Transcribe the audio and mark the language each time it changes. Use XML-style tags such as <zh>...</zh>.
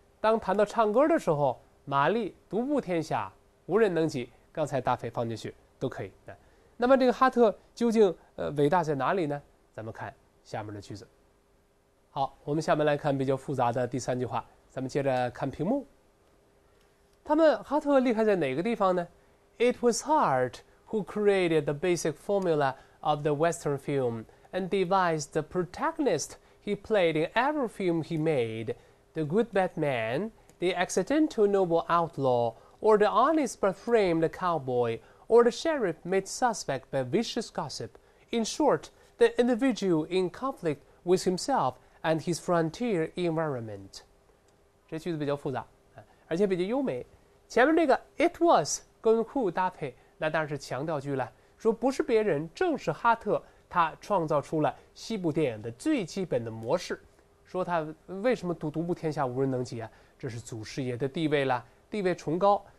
<zh>当谈到唱歌的时候，玛丽独步天下，无人能及。刚才搭配放进去都可以。那么这个哈特究竟伟大在哪里呢？咱们看下面的句子。好，我们下面来看比较复杂的第三句话。咱们接着看屏幕。他们哈特厉害在哪个地方呢</zh> <en>？It was Hart who created the basic formula of the Western film and devised the protagonist he played in every film he made: the good bad man, the accidental noble outlaw, or the honest but framed cowboy, or the sheriff made suspect by vicious gossip. In short, the individual in conflict with himself and his frontier environment.</en> <zh>这句子比较复杂。而且比较优美，前面这个 it was 跟 who 搭配，那当然是强调句了，说不是别人，正是哈特，他创造出了西部电影的最基本的模式。说他为什么独步天下无人能及啊？这是祖师爷的地位了，地位崇高。</zh>